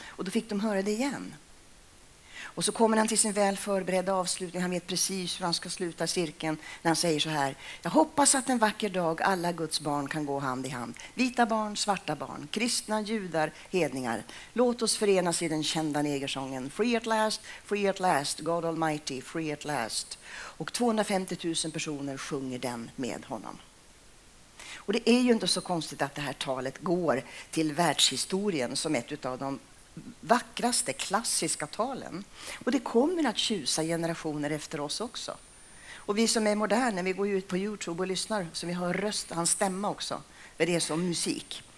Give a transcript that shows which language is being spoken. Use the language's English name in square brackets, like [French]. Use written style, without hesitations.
[Swedish] Och då fick de höra det igen. Och så kommer han till sin väl förberedda avslutning. Han vet precis hur han ska sluta cirkeln när han säger så här: jag hoppas att en vacker dag alla Guds barn kan gå hand i hand. Vita barn, svarta barn, kristna, judar, hedningar. Låt oss förenas i den kända negersången. [English] Free at last, God Almighty, free at last. [Swedish] Och 250 000 personer sjunger den med honom. Och det är ju inte så konstigt att det här talet går till världshistorien som ett av de vackraste klassiska talen. Och det kommer att tjusa generationer efter oss också. Och vi som är moderna, vi går ut på YouTube och lyssnar, så vi hör röst, hans stämma också, för det är som musik.